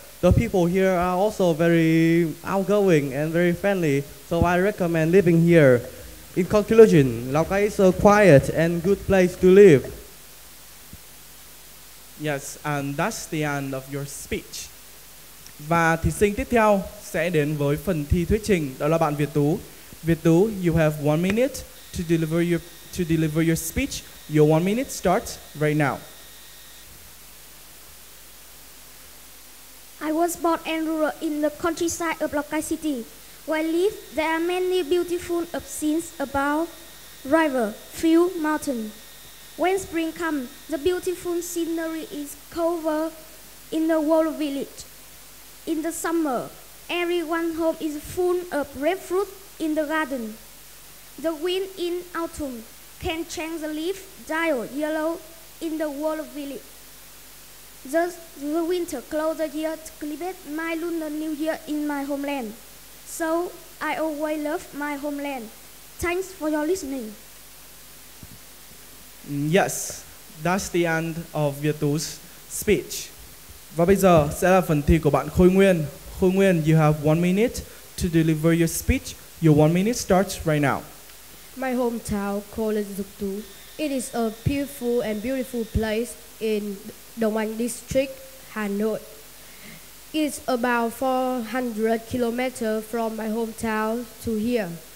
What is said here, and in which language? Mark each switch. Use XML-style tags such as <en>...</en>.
<en>The people here are also very outgoing and very friendly, so I recommend living here. In conclusion, Lào Cai is a quiet and good place to live. Yes, and that's the end of your speech.</en> <vi>Và thí sinh tiếp theo sẽ đến với phần thi thuyết trình, đó là bạn Việt Tú.</vi> <en>Việt Tú, you have 1 minute to deliver your speech. Your 1 minute starts right now. I was born and rural in the countryside of Lào Cai City. Where I live, there are many beautiful scenes about river, field, mountain. When spring comes, the beautiful scenery is covered in the whole village. In the summer, everyone's home is full of red fruit in the garden. The wind in autumn can change the leaf dye yellow in the whole village. Thus, the winter closes the year to celebrate my Lunar New Year in my homeland. So, I always love my homeland. Thanks for your listening. Yes, that's the end of Vietu's speech.</en> <vi>Và bây giờ sẽ là phần thi của bạn Khôi Nguyên.</vi> <en>Khôi Nguyên, you have 1 minute to deliver your speech. Your 1 minute starts right now. My hometown, called Duc Tu. It is a peaceful and beautiful place in Đông Anh District, Hà Nội. It's about 400 kilometers from my hometown to here.</en>